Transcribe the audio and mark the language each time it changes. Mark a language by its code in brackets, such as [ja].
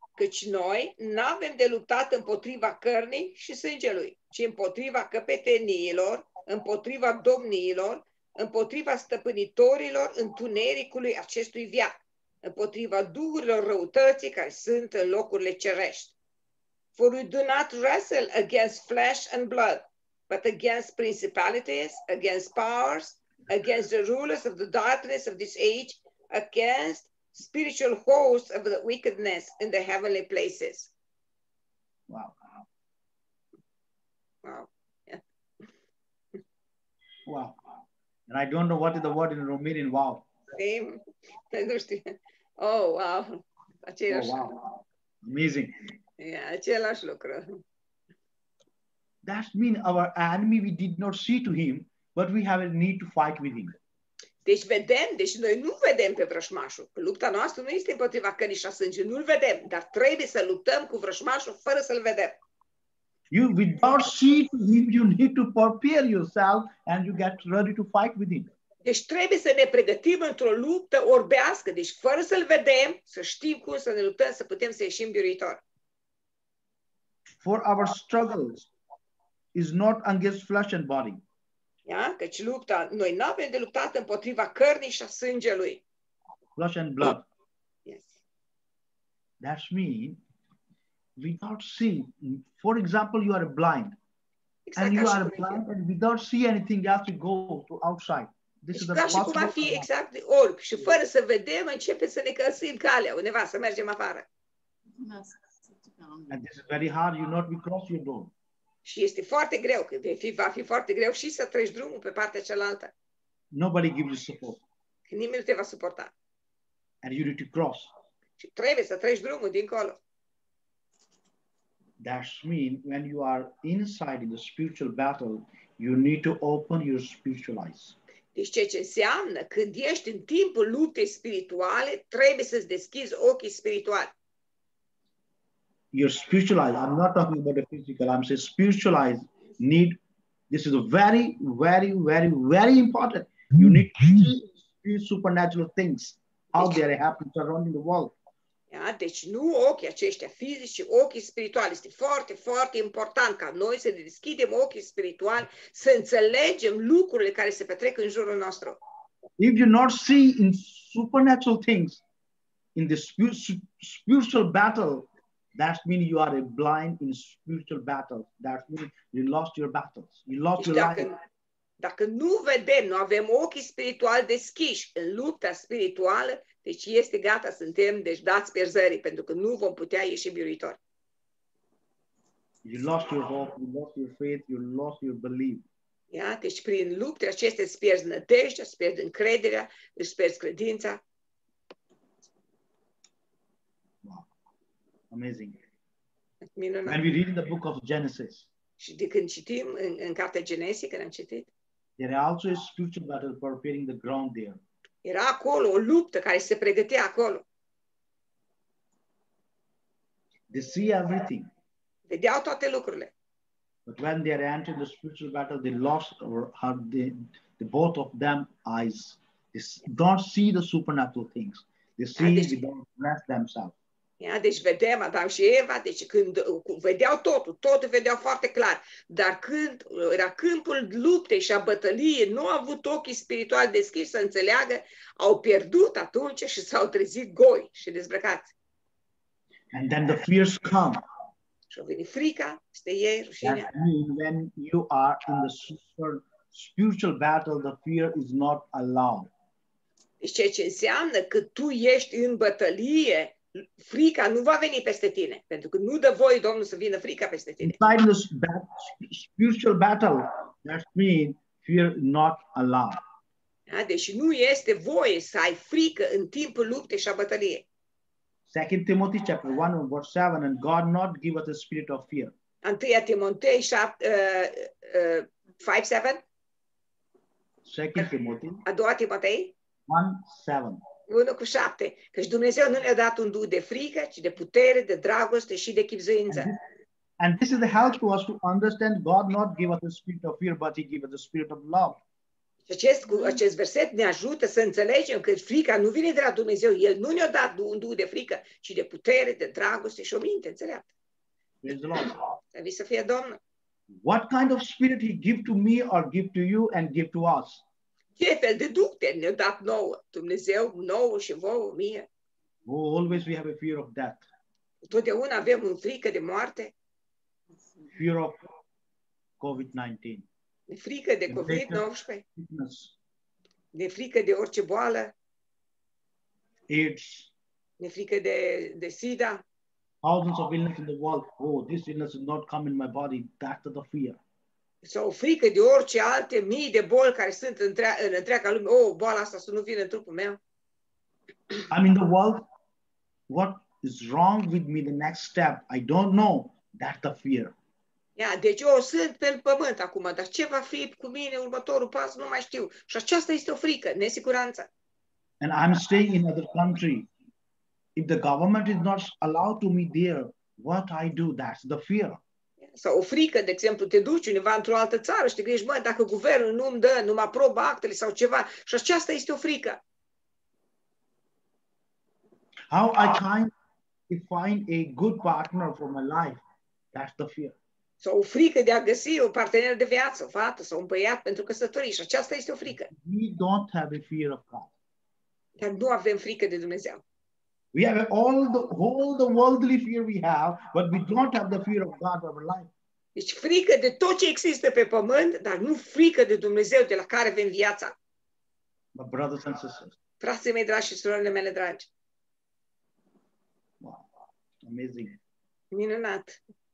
[ro] Căci noi n-avem de luptat împotriva cărnii și sângelui, ci împotriva căpeteniilor, împotriva domniilor, împotriva stăpânitorilor întunericului acestui viac, împotriva duhurilor răutății care sunt în locurile cerești. [en] For we do not wrestle against flesh and blood, but against principalities, against powers, against the rulers of the darkness of this age, against spiritual hosts of the wickedness in the heavenly places. Wow. Wow. Yeah. Wow. And I don't know what is the word in Romanian, wow. Same. Oh, wow. [ro] Același. [en] Oh, wow. Amazing. [ro] Yeah, același lucru. [en] That means our enemy we did not see to him, but we have a need to fight with him. [ro] Deci vedem, deci noi nu vedem pe vrășmașul. Lupta noastră nu este împotriva cărnii și a sângelui, nu-l vedem, dar trebuie să luptăm cu vrășmașul fără să-l vedem. [en] You without seeing, you need to prepare yourself and you get ready to fight with him. [ro] Deci trebuie să ne pregătim într-o luptă orbească, deci fără să-l vedem, să știm cum să ne luptăm, să putem să ieșim biruitor. [en] For our struggles is not against flesh and body. [ro] Ia, căci lupta, noi nu avem de luptat împotriva cărnii și a sângelui. [en] Flesh and blood. Yes. That's mean without seeing. For example, you are blind. Exact and you are blind and without see anything else, you go to outside. This is [ro] ca și cum ar fi exact de orb. Și fără să vedem, începe să ne căsim calea undeva, să mergem afară. [en] And this is very hard, you not be cross your door. [ro] Și este foarte greu, că va fi foarte greu și să treci drumul pe partea cealaltă. [en] Nobody gives you support. [ro] Nimeni nu te va suporta. [en] And you need to cross. [ro] Și trebuie să treci drumul dincolo. [en] That means when you are inside in the spiritual battle, you need to open your spiritual eyes. [ro] Deci ceea ce înseamnă, când ești în timpul luptei spirituale, trebuie să-ți deschizi ochii spirituali. [en] Your spiritual eyes, I'm not talking about the physical, I'm saying spiritual eyes need, this is very, very, very, very important. You need to see supernatural things, how they are happening surrounding the world. [ro] Yeah, deci nu ochii aceștia fizici, ci ochii spirituali. Este foarte, foarte important ca noi să ne deschidem ochii spirituali, să înțelegem lucrurile care se petrec în jurul nostru. [en] If you not see in supernatural things, in the spiritual battle, that means you are a blind in spiritual battle. That means you lost your battles. You lost [ro] deci [en] your life. [ro] Dacă nu vedem, nu avem ochii spirituali deschiși în lupta spirituală, deci este gata, suntem deci dați pierzării, pentru că nu vom putea ieși biruitor. [en] You lost your hope, you lost your faith, you lost your belief. [ro] Ia, deci prin lupte aceste îți pierzi nădejdea, îți pierzi încrederea, îți pierzi credința. [en] Amazing. [ro] Minunat. [en] When we read in the book of Genesis. [ro] Și de când citim în cartea Genesis, când am citit. [en] There also is spiritual battle preparing the ground there. [ro] Era acolo o luptă care se pregătea acolo. [en] They see everything. [ro] Vedeau toate lucrurile. [en] But when they are entering the spiritual battle, they lost or have the both of them eyes. They don't see the supernatural things. They see they don't bless themselves. [ro] Ia, deci vedem Adam și Eva, deci când vedeau totul, totul vedeau foarte clar, dar când era câmpul luptei și a bătăliei, nu au avut ochii spirituali deschiși să înțeleagă, au pierdut atunci și s-au trezit goi și dezbrăcați. [en] And then the fears come. [ro] Și a venit frica, este ei, rușinea. [en] That means when you are in the spiritual battle, the fear is not allowed. [ro] Deci ceea ce înseamnă că tu ești în bătălie, frica nu va veni peste tine, pentru că nu dă voie Domnul să vină frica peste tine. [en] Inside this spiritual battle, that means fear not allowed. [ro] Da, deci nu este voie să ai frică în timpul luptei și a bătăliei. [en] 2 Timothy chapter 1 verse 7 and God not give us a spirit of fear. [ro] 1 Timotei 5:7. [en] 2 Timothy. [ro] A doua Timotei. [en] 1:7. [ro] 1:7, căci Dumnezeu nu ne-a dat un duh de frică, ci de putere, de dragoste și de chibzuință. [en] And this is the help to us to understand God not give us the spirit of fear, but he give us the spirit of love. [ro] Acest verset ne ajută să înțelegem că frica nu vine de la Dumnezeu, el nu ne-a dat un duh de frică, ci de putere, de dragoste și o minte înțeleaptă. Să fie Domnul. [en] What kind of spirit he give to me or give to you and give to us? [ro] Ce fel de duh ne-a dat nouă? Dumnezeu nouă și vouă, mie. [en] Always we have a fear of death. [ro] Totdeauna avem o frică de moarte. [en] Fear of COVID-19. [ro] Frică de COVID-19. Ne frică de orice boală. [en] AIDS. [ro] Ne frică de SIDA. [en] Thousands of illness in the world. Oh, this illness will not come in my body. That's the fear. [ro] Sau frică de orice alte mii de boli care sunt în întreaga lume. Oh, boala asta să nu vină în trupul meu. [en] I mean the world. What is wrong with me? The next step. I don't know. That's the fear. [ro] Yeah, deci eu sunt pe pământ acum, dar ce va fi cu mine următorul pas? Nu mai știu. Și aceasta este o frică, nesiguranță. [en] And I'm staying in another country. If the government is not allowed to meet there, what I do? That's the fear. [ro] Sau o frică, de exemplu, te duci undeva într-o altă țară și te gândești, mă, dacă guvernul nu-mi dă, nu mă aprobă actele sau ceva. Și aceasta este o frică. [en] How I can find a good partner for my life? That's the fear. [ro] Sau o frică de a găsi un partener de viață, o fată sau un băiat pentru căsătorie. Și aceasta este o frică. [en] We don't have a fear of God. [ro] Dar nu avem frică de Dumnezeu. [en] We have all the whole the worldly fear we have, but we don't have the fear of God in our life. [ro] Deci frică de tot ce există pe pământ, dar nu frică de Dumnezeu de la care vine viața. [en] My brothers and sisters. [ro] Frații mei dragi și surorile mele dragi. [en] Wow. Amazing. [ro] Minunat.